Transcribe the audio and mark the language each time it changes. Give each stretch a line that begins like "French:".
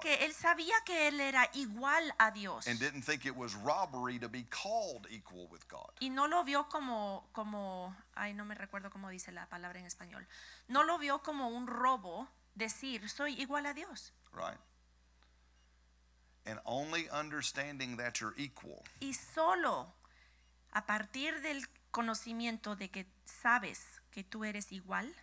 Spanish: Que él sabía que él era igual a Dios.
English: And didn't think it was robbery to be called equal with God.
Spanish: Y no lo vio como ay, no me recuerdo cómo dice la palabra en español. No lo vio como un robo decir soy igual a Dios.
English: Right. And only understanding that you're equal.
Spanish: Y solo a partir del conocimiento de que sabes que tú eres igual.